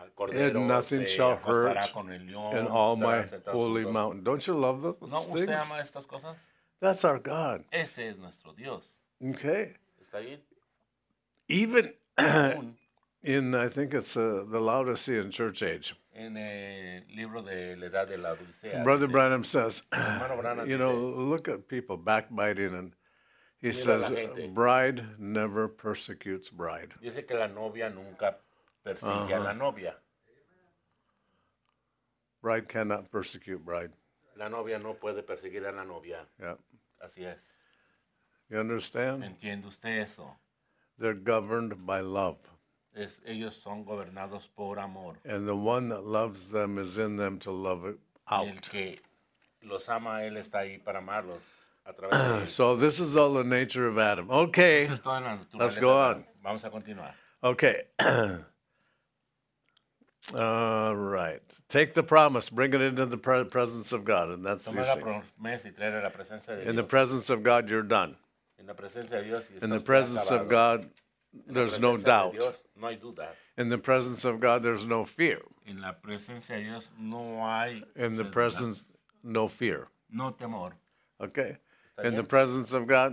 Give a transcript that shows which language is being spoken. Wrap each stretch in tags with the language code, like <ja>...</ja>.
<en>And nothing shall hurt in all my holy mountain. Don't you love those things? That's our God.</en> <es>Ese es nuestro Dios.</es> <en>Okay.</en> <es>¿Está bien?</es> <en>Even in, I think it's the Laodicean church age.</en> <es>En el libro de la edad de la Odisea,</es> <en>Brother</en> <es>dice,</es> <en>Branham says, you know, look at people backbiting, and he says, bride never persecutes bride.</en> <es>Dice que la novia nunca persigue a la novia.</es> <en>Bride cannot persecute bride.</en> <es>La novia no puede perseguir a la novia.</es> <en>Yeah.</en> <es>Así es.</es> <en>You understand?</en> <es>¿Entiende usted eso?</es> <en>They're governed by love.</en> <es>Es, ellos son gobernados por amor.</es> <en>And the one that loves them is in them to love out.</en> <es>El que los ama, él está ahí para amarlos a través de</es> <en>So this is all the nature of Adam. Okay,</en> <es>es toda la naturaleza.</es> <en>Let's go on.</en> <es>Vamos a continuar.</es> <en>Okay. All right. Take the promise, bring it into the presence of God, and that's</en> <es>Toma la promesa y traer a la presencia de Dios.</es> <en>In the presence of God, you're done.</en> <es>En la presencia de Dios,</es> <en>in the presence of God, there's no doubt.</en> <es>Dios, no hay dudas.</es> <en>In the presence of God, there's no fear.</en> <es>En la presencia de Dios, no hay</es> <en>in the presence,</en> <es>dudas.</es> <en>No fear.</en> <es>No temor.</es> <en>Okay. In the presence of God,</en>